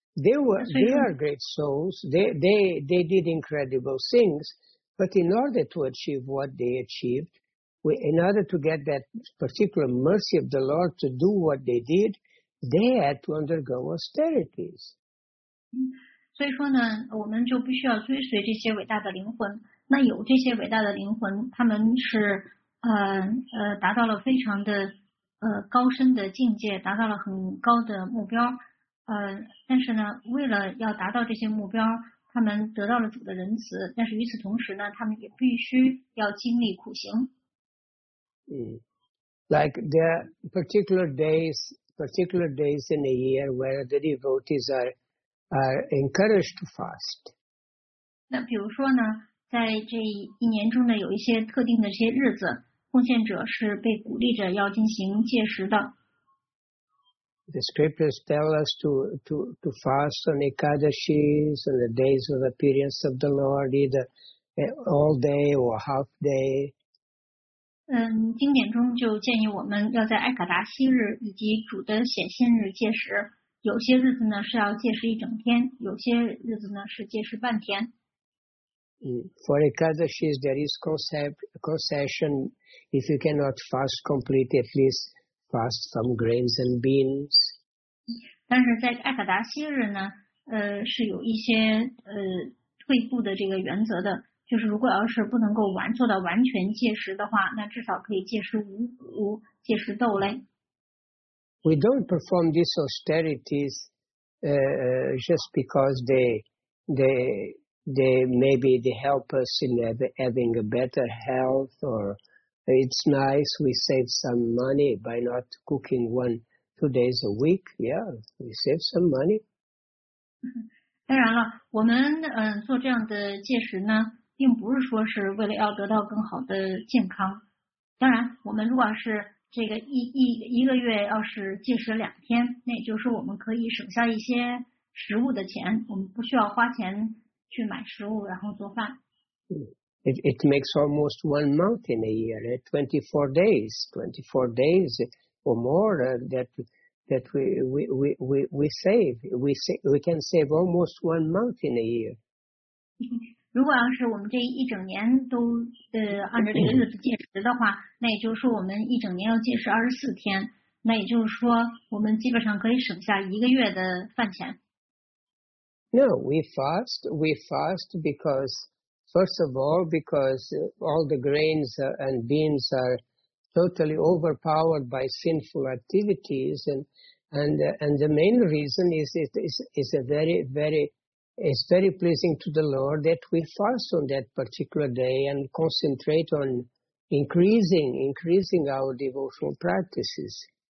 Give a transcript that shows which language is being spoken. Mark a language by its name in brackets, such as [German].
[English] They are great souls. They did incredible things, but in order to achieve what they achieved, in order to get that particular mercy of the Lord to do what they did, they had to undergo austerities. [Chinese] 所以说呢，我们就必须要追随这些伟大的灵魂。那有这些伟大的灵魂，他们是达到了非常的高深的境界，达到了很高的目标。但是呢，为了要达到这些目标，他们得到了主的仁慈，但是与此同时呢，他们也必须要经历苦行。 [English] Like there are particular days in a year where the devotees are encouraged to fast. [Chinese] 那比如说呢，在这一年中呢，有一些特定的这些日子，奉献者是被鼓励着要进行戒食的。 [English] The scriptures tell us to fast on Ekadashis and the days of appearance of the Lord, either all day or half day. [Chinese] 经典中就建议我们要在艾卡达西日以及主的显现日戒食。有些日子呢是要戒食一整天，有些日子呢是戒食半天。 [English] For Ekadashis, there is concession. If you cannot fast completely, at least. Fast some grains and beans. [Chinese] 但是在艾卡达西日呢，是有一些退步的这个原则的，就是如果要是不能够做到完全戒食的话，那至少可以戒食五谷，戒食豆类。 [English] We don't perform these austerities, just because they maybe they help us in having a better health or. It's nice, we save some money by not cooking two days a week. Yeah, we save some money. [Chinese] 当然了，我们做这样的戒食呢，并不是说是为了要得到更好的健康。当然，我们如果是这个一个月要是戒食两天，那也就是我们可以省下一些食物的钱，我们不需要花钱去买食物然后做饭。 [English] It makes almost one month in a year, 24 days, 24 days or more that we save. We can save almost one month in a year. [Chinese] 如果要是我们这一整年都按照这个日子戒食的话，那也就是说我们一整年要戒食24天，那也就是说我们基本上可以省下一个月的饭钱。 [English] No, we fast because... First of all, because all the grains and beans are totally overpowered by sinful activities, and the main reason is it's very pleasing to the Lord that we fast on that particular day and concentrate on increasing our devotional practices.